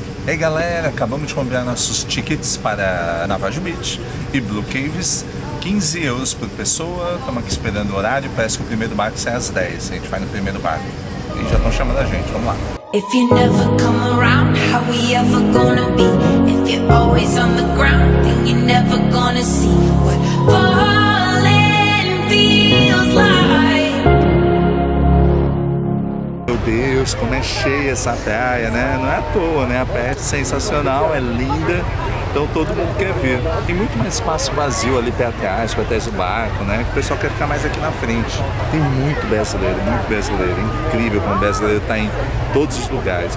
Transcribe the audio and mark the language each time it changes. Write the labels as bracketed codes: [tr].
[pt] E aí galera, acabamos de comprar nossos tickets para Navajo Beach e Blue Caves. 15 euros por pessoa, estamos aqui esperando o horário. Parece que o primeiro barco sai às 10, a gente vai no primeiro barco. E já estão chamando a gente, vamos lá. [en] If you never come around, how we ever gonna be? If you're always on the ground, then you're never gonna see what falling feels like. [pt] Meu Deus, como é cheia essa praia, né? Não é à toa, né? A praia é sensacional, é linda. Então todo mundo quer vir. Tem muito mais espaço vazio ali para trás, para trás do barco, né? O pessoal quer ficar mais aqui na frente. Tem muito brasileiro. Incrível como o brasileiro está em todos os lugares.